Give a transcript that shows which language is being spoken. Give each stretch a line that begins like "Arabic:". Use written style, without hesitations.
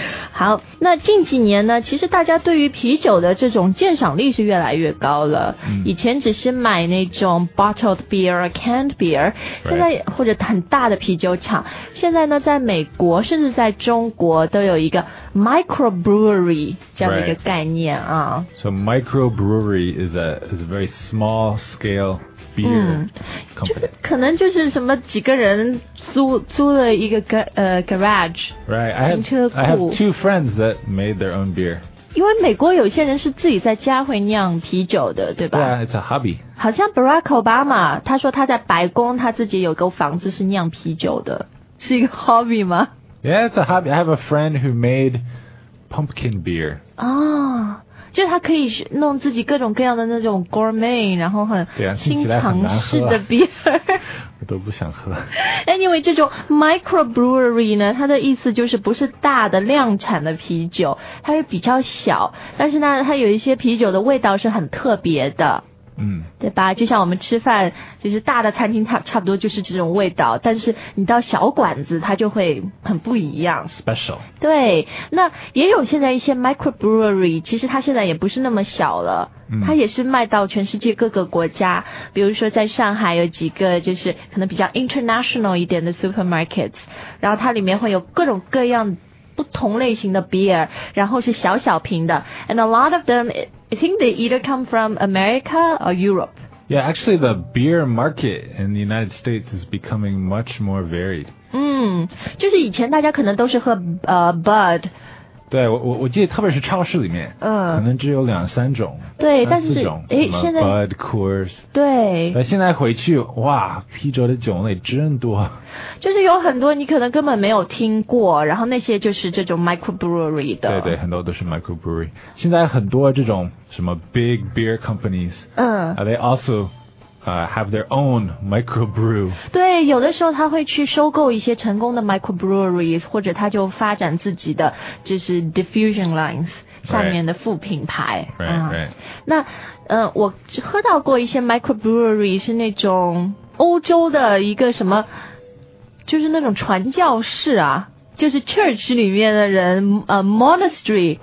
Chinese: 好，那近几年呢，其实大家对于啤酒的这种鉴赏力是越来越高了。以前只是买那种
English: bottled beer or canned beer,
Chinese: 现在或者很大的啤酒厂，现在呢，在美国甚至在中国都有一个 microbrewery 这样的一个概念啊。
English: So microbrewery is a very small scale beer company.
Chinese: 可能就是什么几个人租了一个garage.
English: Right, I have two friends that made their own beer.
Chinese: 因为美国有些人是自己在家会酿啤酒的，对吧？
English: Yeah, it's a hobby. 好像 Barack Obama, 他说他在白宫他自己有个房子是酿啤酒的，是一个 hobby 吗？ Yeah, it's a hobby. I have a friend who made pumpkin beer. Oh.
Chinese: 就他可以弄自己各种各样的那种 gourmet, 然后很新尝试的 beer。我都不想喝。 Anyway, 这种 microbrewery 呢，它的意思就是不是大的量产的啤酒，它是比较小，但是呢，它有一些啤酒的味道是很特别的。嗯，对吧，就像我们吃饭，就是大的餐厅差不多就是这种味道，但是你到小馆子它就会很不一样
English: special。
Chinese: 对，那也有现在一些 microbrewery, 其实它现在也不是那么小了，它也是卖到全世界各个国家，比如说在上海有几个就是可能比较 international 一点的 supermarkets, 然后它里面会有各种各样不同类型的 beer, 然后是小小瓶的
English: and a lot of themI think they either come from America or Europe. Yeah, actually the beer market in the United States is becoming much more varied.
Chinese: 就是以前大家可能都是喝Bud. 对，我记得特别是超市里面，可能只有两三种，对，三四种，但是现在
English: Bud, Coors.
Chinese: 对。那现在回去，哇，啤酒的种类真多。就是有很多你可能根本没有听过，然后那些就是这种 microbrewery 的，对对，很多都是 microbrewery。现在很多这种什么
English: big beer companies, they also have their own microbrew.
Chinese: 对，有的时候他会去收购一些成功的 microbreweries, 或者他就发展自己的就是 diffusion lines 下面的副品牌。
English: right.
Chinese: 那我喝到过一些 microbrewery 是那种欧洲的一个什么，就是那种传教士啊，就是 church 里面的人，monastery.